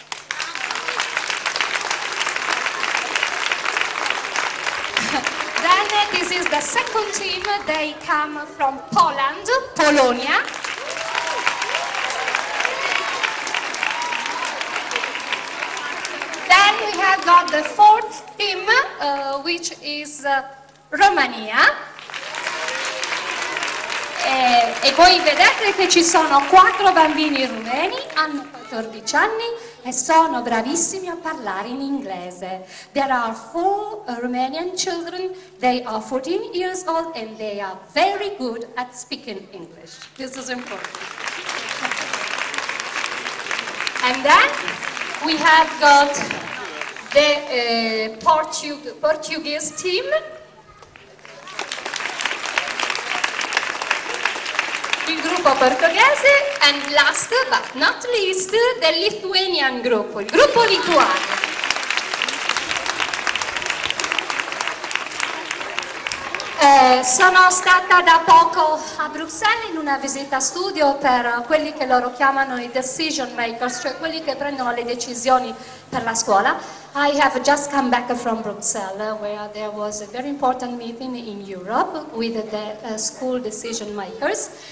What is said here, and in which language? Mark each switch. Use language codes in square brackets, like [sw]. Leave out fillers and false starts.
[en] Then this is the second team, they come from Poland, Polonia. Then we have got the fourth team, which is Romania. [it] E voi vedete che ci sono quattro bambini rumeni, hanno 14 anni e sono bravissimi a parlare in inglese. [en] There are four Romanian children, they are 14 years old and they are very good at speaking English. This is important. And then we have got the Portuguese team. [it] Il gruppo portoghese, [en] and last but not least, the Lithuanian group, [it] il gruppo lituano. Sono stata da poco a Bruxelles in una visita studio per quelli che loro chiamano i decision makers, cioè quelli che prendono le decisioni per la scuola. [en] I have just come back from Bruxelles, where there was a very important meeting in Europe with the school decision makers.